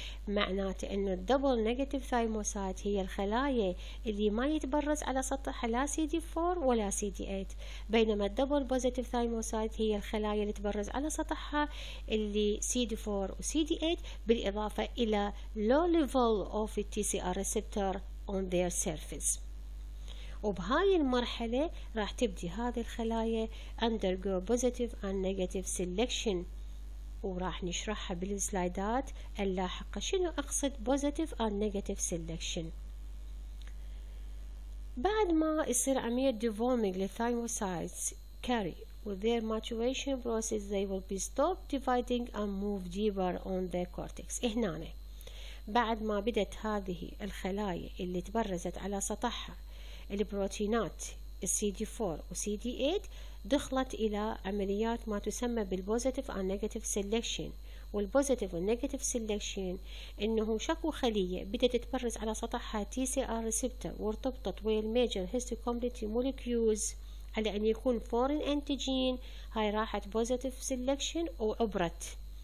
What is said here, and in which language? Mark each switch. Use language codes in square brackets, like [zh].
[ar] معناته أنه [en] double negative thymocytes [ar] هي الخلايا اللي ما يتبرز على سطح لا CD4 ولا CD8، بينما [en] double positive thymocytes [ar] هي الخلايا اللي تبرز على سطحها اللي CD4 و CD8 بالإضافة إلى [en] low level of TCR receptor on their surface. [ar] وبهاي المرحلة راح تبدي هذه الخلايا [en] undergo positive and negative selection، [ar] وراح نشرحها بالسلايدات اللاحقة شنو أقصد [en] positive and negative selection. [ar] بعد ما يصير عملية [en] devolving [ar] للثايموسايتس [en] carry with their maturation process they will be stopped dividing and move deeper on the cortex. [ar] هنا بعد ما بدت هذه الخلايا اللي تبرزت على سطحها البروتينات CD4 و CD8 دخلت إلى عمليات ما تسمى بالبوزيتيف أند نيجاتيف سيلكشن، والبوزيتيف والنيجاتيف سيلكشن إنه شكو خلية بدأت تتبرز على سطحها TCR receptor وارتبطت ويا الميجر هيستوكومبليتي مولكيوز على أن يكون فورين أنتيجين، هاي راحت بوزيتيف سيلكشن وعبرت